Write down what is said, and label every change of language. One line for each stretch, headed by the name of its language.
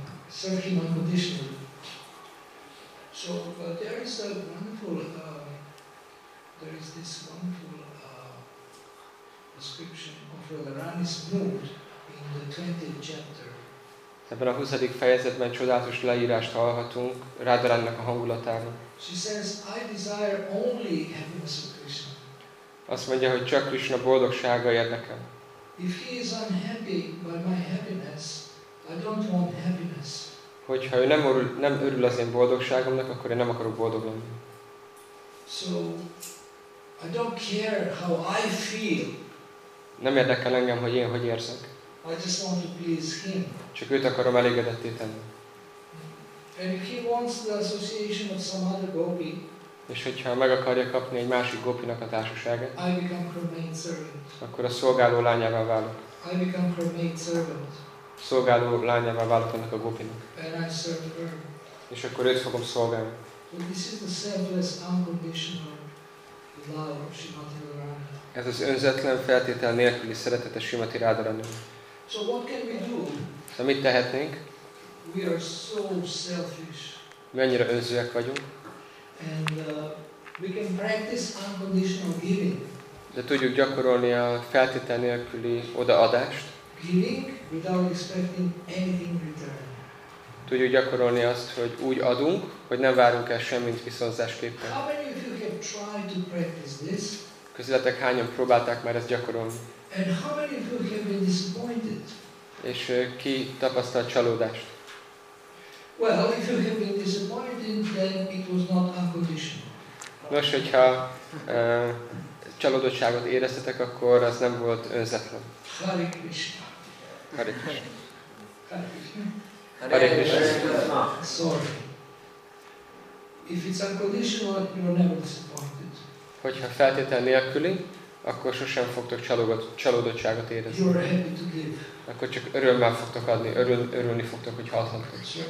English: Serving unconditionally. So, but there is a wonderful, there is this wonderful description of Radharani's mood in the 20th chapter.
Hungarian: Ebben a 20. fejezetben csodálatos leírást hallhatunk Radharaninak a hangulatáról.
English: She says, I desire only happiness of Krishna.
Hungarian: Azt mondja, hogy csak Krishna boldogsága érdekel.
English: If he is unhappy by my happiness, I don't want happiness.
Hungarian: Hogyha ő nem örül az én boldogságomnak, akkor én nem akarok boldog lenni.
English: So, I don't care how I feel.
Hungarian: Nem érdekel engem, hogy én hogy érzek.
English: I just want to please him.
Hungarian: Csak őt akarom elégedetté tenni.
English: And if he wants the association of some other gopi,
Hungarian: és hogyha meg akarja kapni egy másik gopinak a társaságát,
English: I become her maid servant.
Hungarian: Akkor a szolgáló lányává válok.
English: I become her maid servant.
Hungarian: Szolgáló lányává válok annak a gopinak.
English: And I serve her.
Hungarian: És akkor őt fogom szolgálni.
English: But this is the selfless, unconditional love of Srimati Radharani.
Hungarian: Ez az önzetlen feltétel nélküli szeretete Srimati Radharaninak.
English: So what can we do?
Hungarian: Szóval mit tehetnénk?
English: We are so selfish.
Hungarian: Mi annyira önzőek vagyunk.
English: And we can practice unconditional giving.
Hungarian: De tudjuk gyakorolni a feltétel nélküli odaadást.
English: Giving without expecting anything in return.
Hungarian: Tudjuk gyakorolni azt, hogy úgy adunk, hogy nem várunk el semmit viszonzásképpen.
English: How many of you have tried to practice this?
Hungarian: Közületek hányan próbálták már ezt gyakorolni?
English: And how many of you have been disappointed?
Hungarian: És ki tapasztalt csalódást?
English: Well, if you have been disappointed, then it was not unconditional.
Hungarian: Nos, hogyha csalódottságot éreztetek, akkor az nem volt önzetlen.
Sanskrit: Hare Krishna. Hare Krishna. Hare Krishna. Hare Krishna.
English: Sorry. If it's unconditional, you're never disappointed.
Hungarian: Hogyha feltétel nélküli, akkor sosem fogtok csalódottságot érezni.
English: You are happy to give.
Hungarian: Akkor csak örömmel fogtok adni, örülni fogtok, hogy adhatok.